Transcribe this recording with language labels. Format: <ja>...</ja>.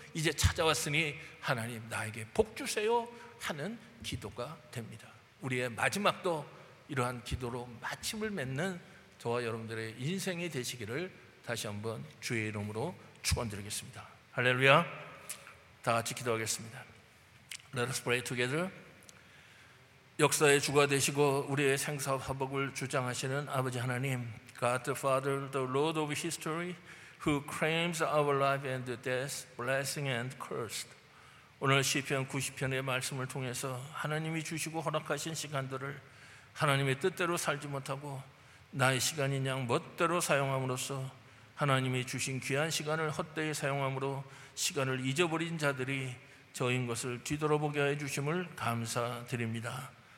<ko>이제 찾아왔으니 하나님 나에게 복 주세요 하는 기도가 됩니다. 우리의 마지막도 이러한 기도로 마침을 맺는 저와 여러분들의 인생이 되시기를 다시 한번 주의 이름으로 축원드리겠습니다. 할렐루야. 다 같이 기도하겠습니다.</ko> <en>Let us pray together.</en> <ko>역사의 주가 되시고 우리의 생사 화복을 주장하시는 아버지 하나님,</ko> <en>God the Father, the Lord of history, who claims our life and death, blessing and cursed.</en> <ko>오늘 시편 90편의 말씀을 통해서 하나님이 주시고 허락하신 시간들을 하나님의 뜻대로 살지 못하고 나의 시간인 양 멋대로 사용함으로써 하나님이 주신 귀한 시간을 헛되이 사용함으로 시간을 잊어버린 자들이 저인 것을 뒤돌아보게 해 주심을 감사드립니다.</ko>